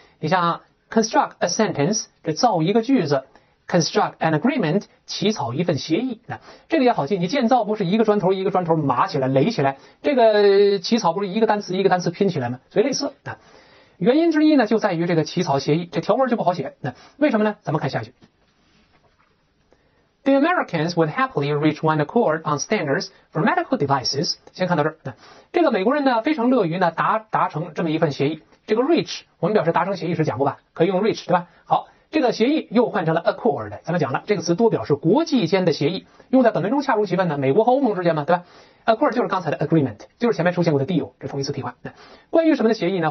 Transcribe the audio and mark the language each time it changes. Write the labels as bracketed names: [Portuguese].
[Chinese] 你像 [English] construct a sentence [Chinese] 这造一个句子， [English] construct an agreement [Chinese] 起草一份协议，这个也好记，你建造不是一个砖头一个砖头码起来垒起来，这个起草不是一个单词一个单词拼起来吗？所以类似。原因之一呢就在于这个起草协议，这条文就不好写。那为什么呢？咱们看下去。 [English] The Americans would happily reach one accord on standards for medical devices. [Chinese] 先看到这儿，这个美国人呢非常乐于呢达成这么一份协议。这个 reach 我们表示达成协议时讲过吧，可以用 reach， 对吧？好，这个协议又换成了 accord， 咱们讲了这个词多表示国际间的协议，用在本文中恰如其分呢，美国和欧盟之间嘛，对吧？ accord 就是刚才的 agreement， 就是前面出现过的 deal， 这同义词替换。关于什么的协议呢？